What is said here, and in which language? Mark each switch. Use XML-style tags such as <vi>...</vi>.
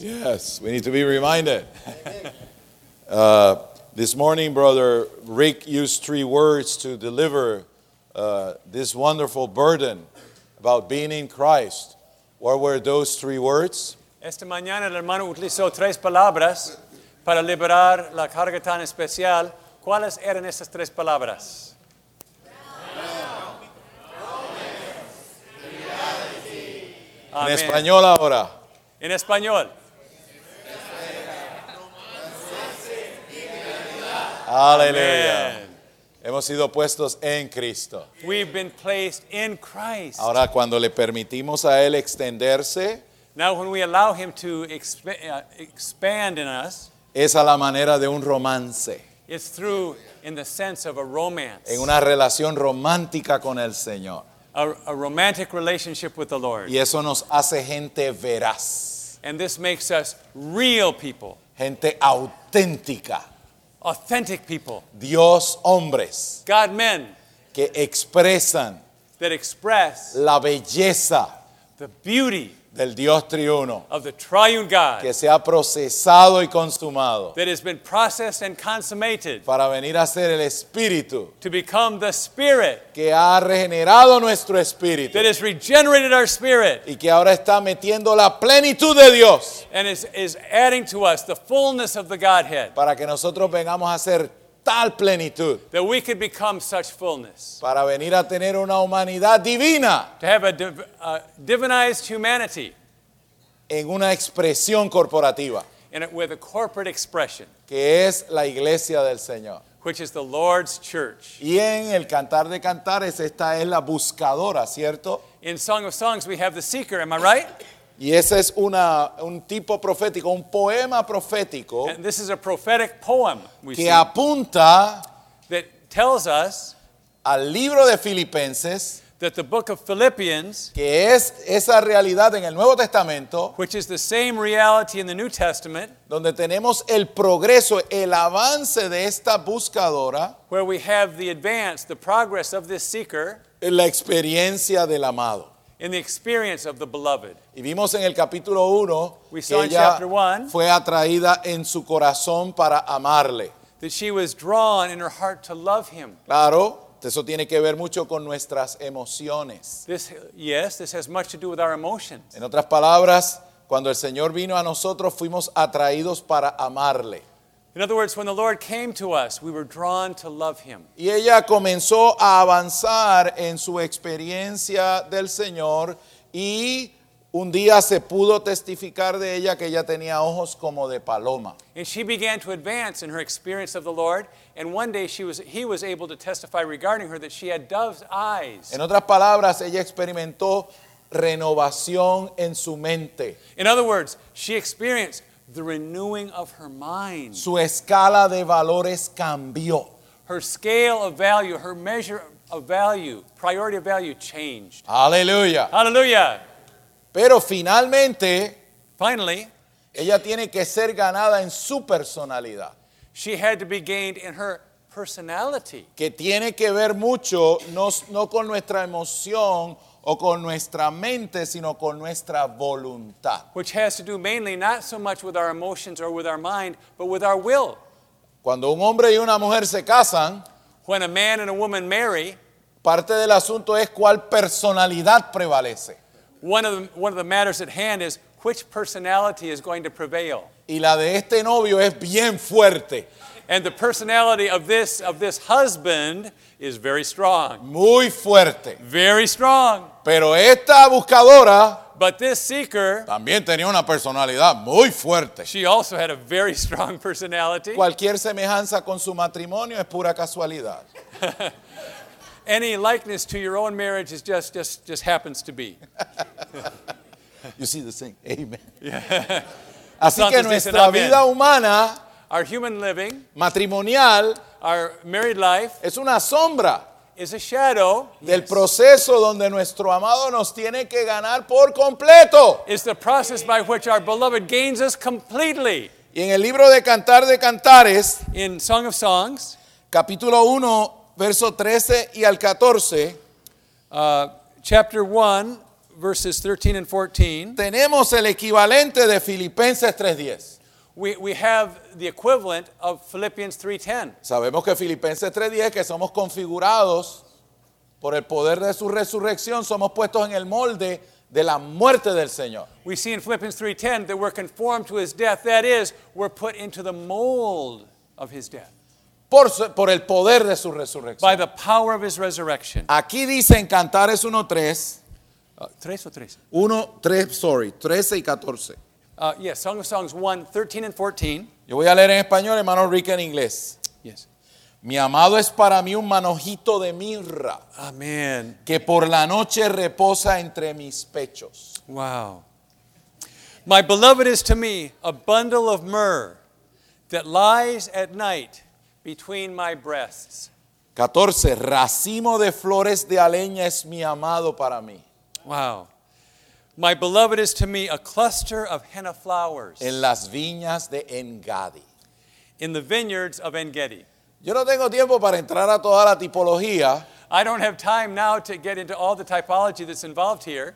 <en>Yes, we need to be reminded. This morning, Brother Rick used three words to deliver this wonderful burden about being in Christ. What were those three words?</en> <es>Esta mañana el hermano utilizó tres palabras para liberar la carga tan especial. ¿Cuáles eran esas tres palabras? En español ahora. En español. Aleluya. Hemos sido puestos en Cristo.</es> <en>We've been placed in Christ.</en> <es>Ahora cuando le permitimos a Él extenderse.</es> <en>Now when we allow Him to expand in us.</en> <es>Es a la manera de un romance.</es> <en>It's through in the sense of a romance.</en> <es>En una relación romántica con el Señor.</es> <en>A romantic relationship with the Lord.</en> <es>Y eso nos hace gente veraz.</es> <en>And this makes us real people.</en> <es>Gente auténtica.</es> <en>Authentic people.</en> <es>Dios hombres.</es> <en>God men.</en> <es>Que expresan.</es> <en>That express.</en> <es>La belleza.</es> <en>The beauty.</en> <es>Del Dios triuno.</es> <en>Of the triune God.</en> <es>Que se ha procesado y consumado.</es> <en>That has been processed and consummated.</en> <es>Para venir a ser el Espíritu.</es> <en>To become the Spirit.</en> <es>Que ha regenerado nuestro espíritu.</es> <en>That has regenerated our spirit.</en> <es>Y que ahora está metiendo la plenitud de Dios.</es> <en>And is adding to us the fullness of the Godhead.</en> <es>Para que nosotros vengamos a ser tal plenitud.</es> <en>That we could become such fullness.</en> <es>Para venir a tener una humanidad divina.</es> <en>To have a divinized humanity.</en> <es>En una expresión corporativa.</es> <en>With a corporate expression.</en> <es>Que es la iglesia del Señor.</es> <en>Which is the Lord's church.</en> <es>Y en el Cantar de Cantares, esta es la buscadora, ¿cierto?</es> <en>In Song of Songs, we have the seeker, am I right?</en> <es>Y ese es un tipo profético, un poema profético.</es> <en>And this is a prophetic poem we</en> <es>que</es> <en>see,</en> <es>apunta</es> <en>that tells us</en> <es>al libro de Filipenses,</es> <en>that the book of Philippians,</en> <es>que es esa realidad en el Nuevo Testamento,</es> <en>which is the same reality in the New Testament,</en> <es>donde tenemos el progreso, el avance de esta buscadora,</es> <en>where we have the advance, the progress of this seeker,</en> <es>la experiencia del amado.</es> <en>In the experience of the beloved.</en> <es>Y vimos en el capítulo 1 que ella fue atraída en su corazón para amarle.</es> <en>That she was drawn in her heart to love him.</en> <es>Claro, eso tiene que ver mucho con nuestras emociones.</es> <en>This has much to do with our emotions.</en> <es>En otras palabras, cuando el Señor vino a nosotros, fuimos atraídos para amarle.</es> <en>In other words, when the Lord came to us, we were drawn to love him.</en> <es>Y ella comenzó a avanzar en su experiencia del Señor y un día se pudo testificar de ella que ella tenía ojos como de paloma.</es> <en>And she began to advance in her experience of the Lord, and one day he was able to testify regarding her that she had dove's eyes.</en> <es>En otras palabras, ella experimentó renovación en su mente.</es> <en>In other words, she experienced the renewing of her mind.</en> <es>Su escala de valores cambió.</es> <en>Her scale of value, her measure of value, priority of value changed. Hallelujah. Hallelujah.</en> <es>Pero finalmente,</es> <en>finally,</en> <es>ella tiene que ser ganada en su personalidad.</es> <en>She had to be gained in her personality.</en> <es>Que tiene que ver mucho no con nuestra emoción o con nuestra mente, sino con nuestra voluntad.</es> <en>Which has to do mainly not so much with our emotions or with our mind, but with our will.</en> <es>Cuando un hombre y una mujer se casan,</es> <en>when a man and a woman marry,</en> <es>parte del asunto es cuál personalidad prevalece.</es> <en>One of the matters at hand is which personality is going to prevail.</en> <es>Y la de este novio es bien fuerte.</es> <en>And the personality of this husband is very strong.</en> <es>Muy fuerte.</es> <en>Very strong.</en> <es>Pero esta buscadora.</es> <en>But this seeker.</en> <es>También tenía una personalidad muy fuerte.</es> <en>She also had a very strong personality.</en> <es>Cualquier semejanza con su matrimonio es pura casualidad.</es> <en>Any likeness to your own marriage is just happens to be. You see the thing. Amen. Yeah.</en> <es>Así que nuestra vida humana.</es> <en>Our human living.</en> <es>Matrimonial.</es> <en>Our married life</en> <es>es una sombra.</es> <en>is a shadow</en> <es>del proceso donde nuestro amado nos tiene que ganar por completo.</es> <en>Is the process by which our beloved gains us completely.</en> <es>Y en el libro de Cantar de Cantares,</es> <en>in Song of Songs,</en> <es>capítulo 1, verso 13 y al 14,</es> <en>chapter 1, verses 13 and 14,</en> <es>tenemos el equivalente de Filipenses 3:10.</es> <en>We have the equivalent of Philippians 3:10.</en> <es>Sabemos que Filipenses 3:10, que somos configurados por el poder de su resurrección, somos puestos en el molde de la muerte del Señor.</es> <en>We see in Philippians 3:10 that we're conformed to his death, that is, we're put into the mold of his death.</en> <es>Por el poder de su resurrección.</es> <en>By the power of his resurrection.</en> <es>Aquí dice en Cantares 1:3. 13 y 14.</es> <en>Yes, Song of Songs 1, 13 and 14.</en> <es>Yo voy a leer en español, hermano Rick, en inglés.</es> <en>Yes.</en> <es>Mi amado es para mí un manojito de mirra.</es> <en>Amen.</en> <es>Que por la noche reposa entre mis pechos.</es> <en>Wow. My beloved is to me a bundle of myrrh that lies at night between my breasts.</en> <es>14. Racimo de flores de aleña es mi amado para mí.</es> <en>Wow. My beloved is to me a cluster of henna flowers.</en> <es>En las viñas de Engedi.</es> <en>In the vineyards of Engedi.</en> <es>Yo no tengo tiempo para entrar a toda la tipología.</es> <en>I don't have time now to get into all the typology that's involved here.</en>